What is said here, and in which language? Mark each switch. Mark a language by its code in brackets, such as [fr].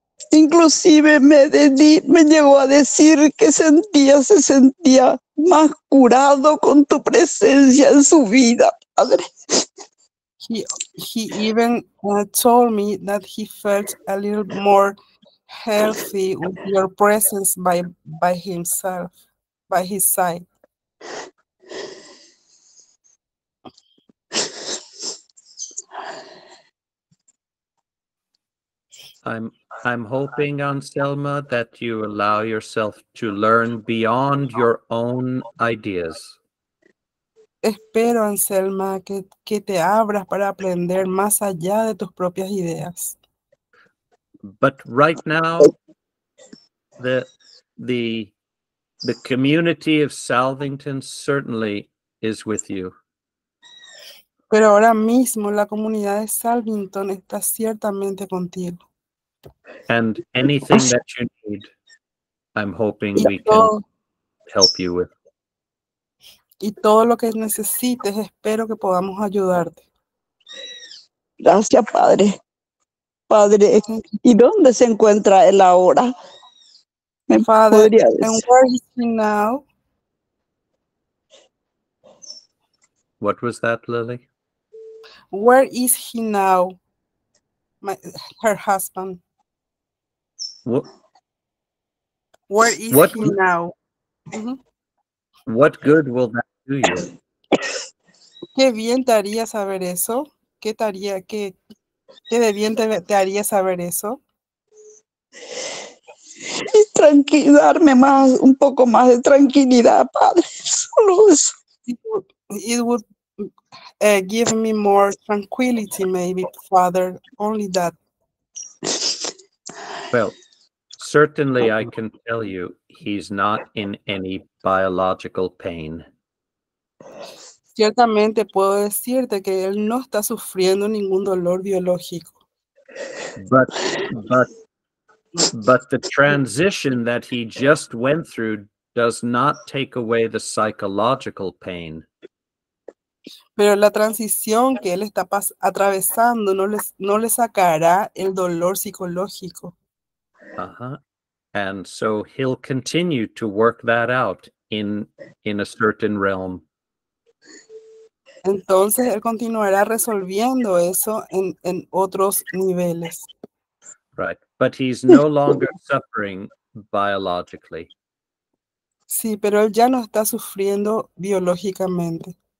[es] Inclusive me llegó a decir que se sentía más curado con tu presencia en su vida, Padre. [en] He even told me that he felt a little more healthy with your presence by his side. I'm hoping, Anselma, that you allow yourself to learn beyond your own ideas. [es] Espero, Anselma, que te abras para aprender más allá de tus propias ideas. [en] But right now, the community of Salvington certainly is with you. [es] Pero ahora mismo la comunidad de Salvington está ciertamente contigo. [en] And anything that you need, I'm hoping we can help you with. [es] Y todo lo que necesites, espero que podamos ayudarte. Gracias, Padre. Padre, ¿y dónde se encuentra él ahora? Mi padre, [en] and where is he now? What was that, Lily? Where is he now? Her husband. What is he now? Mm-hmm. What good will that do you? [es] Qué bien te haría saber eso. Qué de bien te haría saber eso. Y tranquilizarme más, un poco más de tranquilidad, Padre. Solo eso. [en] It would give me more tranquility, maybe, Father. Only that. Well. Certainly, I can tell you, he's not in any biological pain. [es] Ciertamente puedo decirte que él no está sufriendo ningún dolor biológico. [en] But the transition that he just went through does not take away the psychological pain. [es] Pero la transición que él está atravesando no le sacará el dolor psicológico. Uh-huh. [en] And so he'll continue to work that out in a certain realm. [es] Entonces él continuará resolviendo eso en otros niveles. [en] Right, but he's no longer suffering biologically. [es] Sí, pero él ya no está sufriendo biológicamente.